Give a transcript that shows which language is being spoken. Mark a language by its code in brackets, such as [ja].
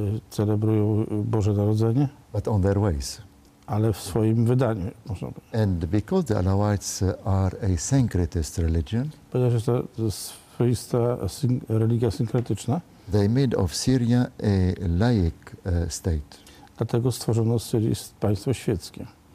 [pl] Celebrują Boże Narodzenie. [en] But on their ways. [pl] Ale w swoim wydaniu, można powiedzieć. [en] And because the Alawites are a syncretist religion, [pl] ponieważ jest to swoista religia synkretyczna, [en] they made of Syria a laic state. [pl] Dlatego stworzono z Syrii państwo świeckie.